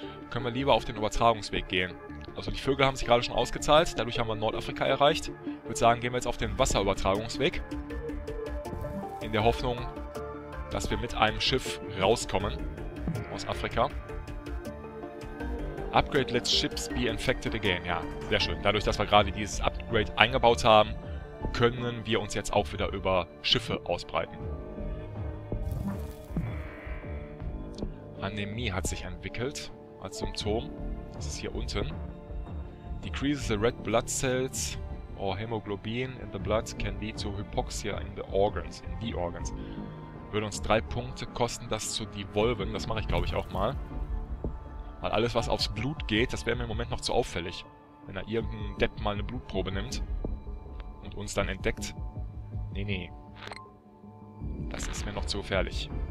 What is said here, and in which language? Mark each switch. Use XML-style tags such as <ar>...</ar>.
<de>Können wir lieber auf den Übertragungsweg gehen. Also die Vögel haben sich gerade schon ausgezahlt, dadurch haben wir Nordafrika erreicht. Ich würde sagen, gehen wir jetzt auf den Wasserübertragungsweg. In der Hoffnung, dass wir mit einem Schiff rauskommen aus Afrika.</de> <en>Upgrade lets ships be infected again.</en> <de>Ja, sehr schön. Dadurch, dass wir gerade dieses Upgrade eingebaut haben, können wir uns jetzt auch wieder über Schiffe ausbreiten. Anämie hat sich entwickelt als Symptom. Das ist hier unten.</de> <en>Decreases the red blood cells or hemoglobin in the blood can lead to hypoxia in the organs. In the organs.</en> <de>Würde uns 3 Punkte kosten, das zu devolven. Das mache ich, glaube ich, auch mal. Weil alles, was aufs Blut geht, das wäre mir im Moment noch zu auffällig. Wenn da irgendein Depp mal eine Blutprobe nimmt und uns dann entdeckt. Nee, nee. Das ist mir noch zu gefährlich.</de>